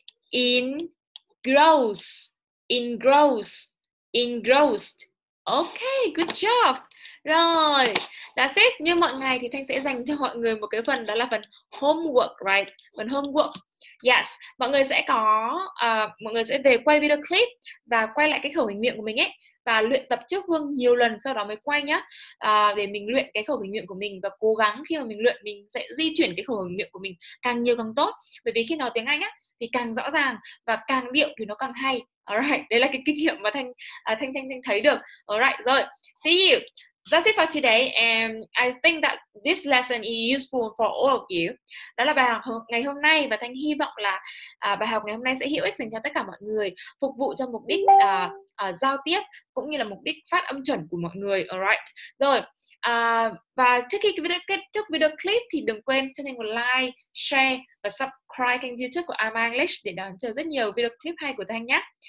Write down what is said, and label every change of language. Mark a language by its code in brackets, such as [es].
[en] Engross, engross, engrossed. Ok, good job. [vi] Rồi, [en] that's it. [vi] Như mọi ngày thì Thanh sẽ dành cho mọi người một cái phần, đó là phần homework, [en] right? [vi] Phần homework. [en] Yes, [vi] mọi người sẽ có, mọi người sẽ về quay video clip và quay lại cái khẩu hình miệng của mình ấy, và luyện tập trước gương nhiều lần sau đó mới quay nhá, để mình luyện cái khẩu hình miệng của mình. Và cố gắng khi mà mình luyện, mình sẽ di chuyển cái khẩu hình miệng của mình càng nhiều càng tốt. Bởi vì khi nói tiếng Anh á, thì càng rõ ràng và càng điệu thì nó càng hay. [en] Alright, [vi] đấy là cái kinh nghiệm mà Thanh thấy được. [en] Alright, [vi] rồi, [en] see you. That's it for today, and I think that this lesson is useful for all of you. [vi] Đó là bài học ngày hôm nay, và Thanh hy vọng là bài học ngày hôm nay sẽ hữu ích dành cho tất cả mọi người, phục vụ cho mục đích giao tiếp cũng như là mục đích phát âm chuẩn của mọi người. [en] Alright, [vi] rồi. Và trước khi kết thúc video clip thì đừng quên cho Thanh một like, share và subscribe kênh YouTube của Ama English để đón chờ rất nhiều video clip hay của Thanh nhé.